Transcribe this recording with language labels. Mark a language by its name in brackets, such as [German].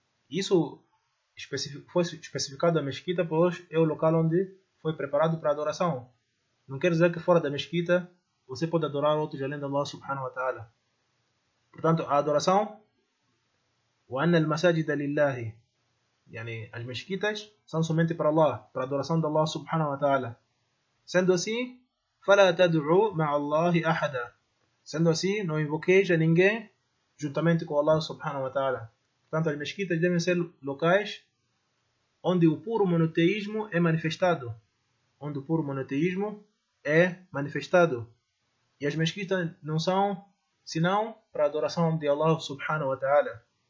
[Portuguese] Isso foi especificado a mesquita, pois é o local onde foi preparado para a adoração. Não quer dizer que fora da mesquita você pode adorar outros além de Allah subhanahu wa ta'ala. Portanto, a adoração, [Arabic] وَأَنَّ الْمَسَاجِدَ لِلَّهِ, [Portuguese] yani, as mesquitas são somente para Allah, para a adoração de Allah subhanahu wa ta'ala. Sendo assim, [Arabic] فَلَا تَدْعُوا مَعَ اللَّهِ أَحَدًا. [Portuguese] Sendo assim, não invoqueis a ninguém juntamente com Allah subhanahu wa ta'ala. Portanto, as mesquitas devem ser locais onde o puro monoteísmo é manifestado. Onde o puro monoteísmo é manifestado. E as mesquitas não são senão para a adoração de Allah subhanahu wa ta'ala.